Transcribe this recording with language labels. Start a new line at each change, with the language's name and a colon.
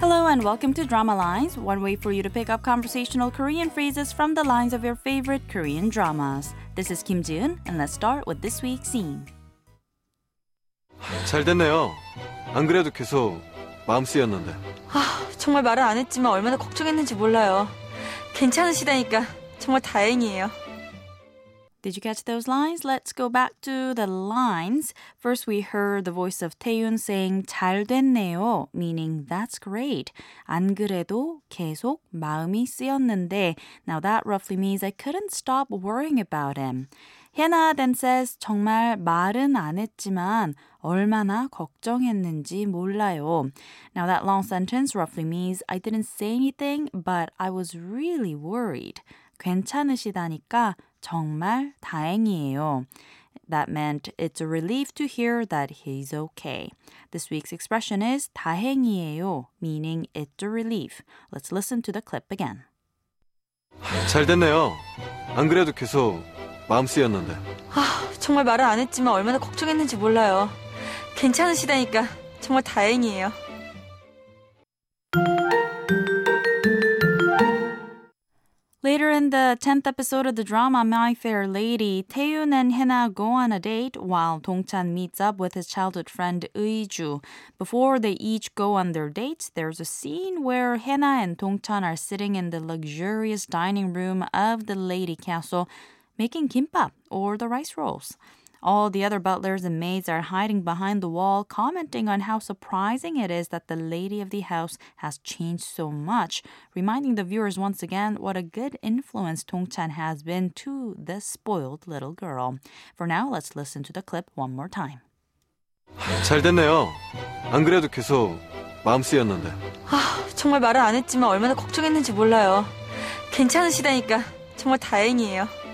English: and welcome to Drama Lines, one way for you to pick up conversational Korean phrases from the lines of your favorite Korean dramas. This is Kim Jun, and let's start with this week's scene.
Korean: 잘 됐네요. 안 그래도 계속 마음 쓰였는데. 아, 정말 말을 안 했지만 얼마나 걱정했는지 몰라요. 괜찮으시다니까 정말 다행이에요.
English: Did you catch those lines? Let's go back to the lines. First, we heard the voice of Taeyun saying
Korean: 잘 됐네요,
English: meaning that's great.
Korean: 안 그래도 계속 마음이 쓰였는데.
English: Now, that roughly means I couldn't stop worrying about him. Hyena then says
Korean: 정말 말은 안 했지만 얼마나 걱정했는지 몰라요.
English: Now, that long sentence roughly means I didn't say anything, but I was really worried.
Korean: 괜찮으시다니까 정말 다행이에요.
English: That meant it's a relief to hear that he's okay. This week's expression is 다행이에요, meaning it's a relief. Let's listen to the clip again.
Korean: 잘 됐네요. 안 그래도 계속 마음 쓰였는데. 아, 정말 말은 안 했지만 얼마나 걱정했는지 몰라요. 괜찮으시다니까 정말 다행이에요.
English: Later in the 10th episode of the drama My Fair Lady, Taeyun and Hyena go on a date while Dongchan meets up with his childhood friend Eiju. Before they each go on their date, there's a scene where Hyena and Dongchan are sitting in the luxurious dining room of the Lady Castle making kimbap or the rice rolls. All the other butlers and maids are hiding behind the wall, commenting on how surprising it is that the lady of the house has changed so much, reminding the viewers once again what a good influence Dongchan has been to this spoiled little girl. For now, let's listen to the clip one more time.
Korean: 잘 됐네요. 안 그래도 계속 마음 쓰였는데. 아, 정말 말을 안 했지만 얼마나 걱정했는지 몰라요. 괜찮으시다니까 정말 다행이에요.